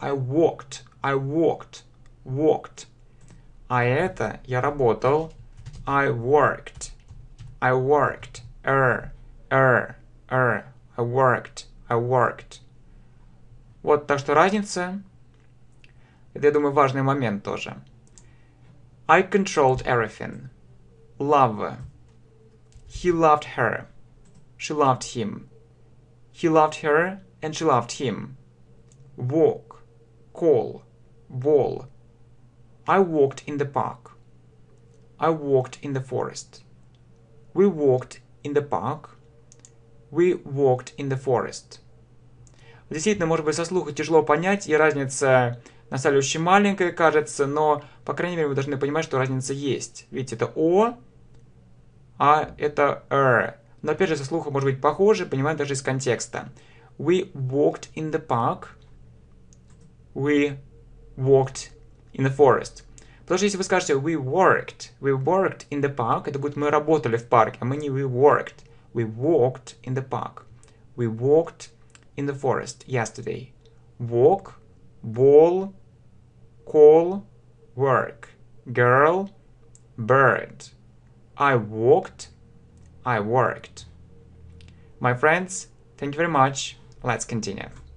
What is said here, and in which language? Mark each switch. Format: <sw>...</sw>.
<en>I walked. I walked, walked.</en> <ru>А это я работал.</ru> <en>I worked, I worked. I worked, I worked.</en> <ru>Вот так что разница. Это, я думаю, важный момент тоже.</ru> <en>I controlled everything. Love. He loved her. She loved him. He loved her and she loved him. Walk. Call. Ball. I walked in the park. I walked in the forest. We walked in the park. We walked in the forest.</en> <ru>Действительно, может быть, со слуха тяжело понять, и разница на самом деле очень маленькая, кажется, но, по крайней мере, вы должны понимать, что разница есть. Ведь это о, а это р. Но, опять же, со слуха может быть похоже, понимать даже из контекста.</ru> <en>We walked in the park. we walked in the forest.</en> <ru>Потому что если вы скажете</ru> <en>we worked in the park,</en> <ru>это будет мы работали в парке, а мы не</ru> <en>we worked. We walked in the park. We walked in the forest yesterday. Walk, ball, call, work, girl, bird. I walked, I worked. My friends, thank you very much. Let's continue.</en>